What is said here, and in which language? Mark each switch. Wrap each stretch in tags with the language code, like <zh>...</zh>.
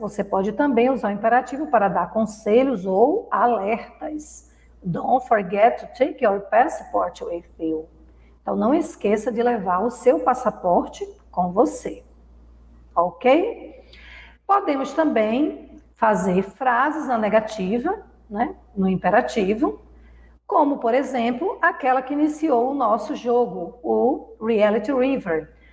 <pt>Você pode também usar o imperativo para dar conselhos ou alertas.</pt> <en>Don't forget to take your passport with you.</en> <pt>Então, não esqueça de levar o seu passaporte com você. Ok? Podemos também fazer frases na negativa, né? No imperativo, como, por exemplo, aquela que iniciou o nosso jogo, o Reality River.</pt>